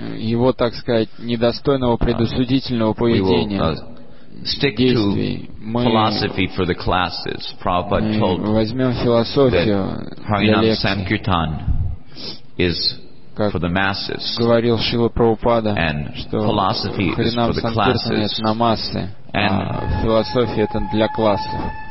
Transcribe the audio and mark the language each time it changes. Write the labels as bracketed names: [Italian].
[Russian] его, так сказать, недостойного предусудительного поведения. [English] Stick to philosophy for the classes. Prabhupada told that Harinam Sankirtan is for the masses. [Russian] Говорил Шрила Прабхупада, [English] and philosophy is for the classes. [Russian] На массы, [English] and [Russian] философия это для классов.